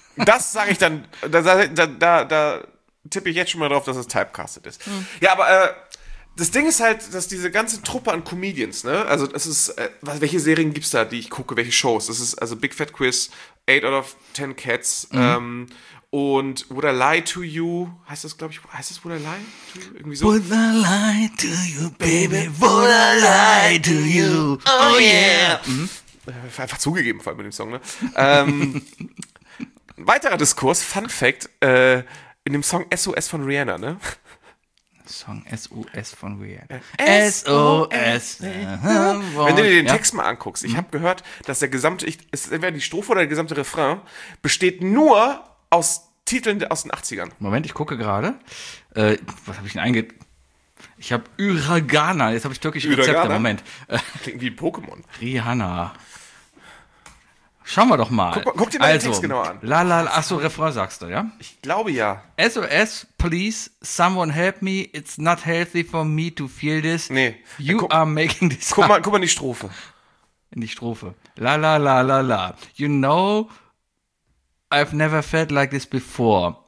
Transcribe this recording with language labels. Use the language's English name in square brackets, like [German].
[German] Das sage ich dann, da tippe ich jetzt schon mal drauf, dass es typecasted ist. Mhm. Ja, aber das Ding ist halt, dass diese ganze Truppe an Comedians, ne? Also es ist, welche Serien gibt's da, die ich gucke, welche Shows? Das ist also Big Fat Quiz, 8 out of 10 Cats, und Would I Lie to You, heißt das, glaube ich, heißt das Would I Lie to You? Irgendwie so. [English] Would I Lie to You, Baby, Would I Lie to You, oh yeah. Mhm. [German] Einfach zugegeben, vor allem mit dem Song, ne? Weiterer Diskurs, Fun Fact, in dem Song SOS von Rihanna, ne? Song SOS von Rihanna. SOS. Wenn du dir den Text mal anguckst, ich habe gehört, dass der gesamte, ist entweder die Strophe oder der gesamte Refrain, besteht nur aus Titeln aus den 80ern. Moment, ich gucke gerade. Was habe ich denn ich habe Uragana, jetzt habe ich türkische Rezepte, Moment. Klingt wie ein Pokémon. Rihanna. Schauen wir doch mal. Guck dir mal den Text genau an. Achso, Refrain sagst du, ja? Ich glaube ja. [English] SOS, please, someone help me. It's not healthy for me to feel this. [German] Nee. [English] You are making this. [German] Guck mal in die Strophe. In die Strophe. La la la la la. [English] You know, I've never felt like this before.